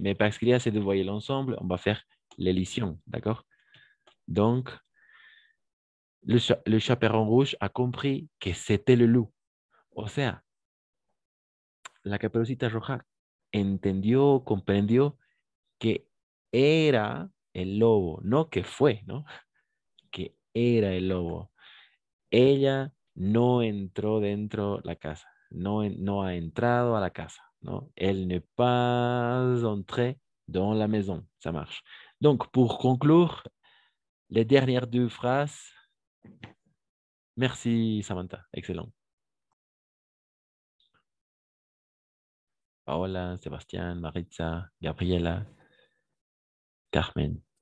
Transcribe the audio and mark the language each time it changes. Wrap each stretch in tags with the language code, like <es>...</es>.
<fr>Mais parce qu'il y a ces deux voyelles ensemble, on va faire l'élision. D'accord? Donc, le chaperon rouge a compris que c'était le loup.</fr> <es>O sea, la caperucita roja entendió, comprendió que era el lobo, no que fue, ¿no? Que era el lobo. Ella no entró dentro de la casa. No ha entrado a la casa, ¿no?</es> <fr>Elle n'est pas entrée dans la maison. Ça marche. Donc, pour conclure, les dernières deux phrases. Merci, Samantha. Excellent. Paola, Sébastien, Maritza, Gabriela, Carmen.</fr>